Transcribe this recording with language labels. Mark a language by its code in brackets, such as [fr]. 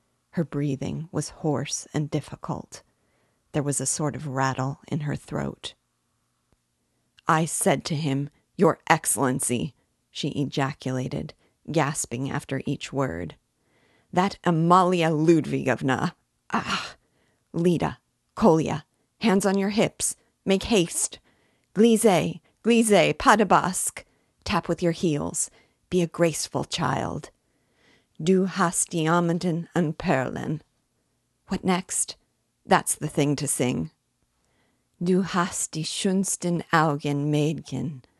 [en] Her breathing was hoarse and difficult. There was a sort of rattle in her throat. "I said to him, 'Your Excellency,'" she ejaculated, gasping after each word. "That Amalia Ludvigovna! Ah! Lida, Kolya, hands on your hips! Make haste! [fr] Glize, glize, pas de basque! [en] Tap with your heels! Be a graceful child! [de] Du hast diamanten und perlen! [en] What next? That's the thing to sing! [de] Du hast die schönsten Augen, Mädchen!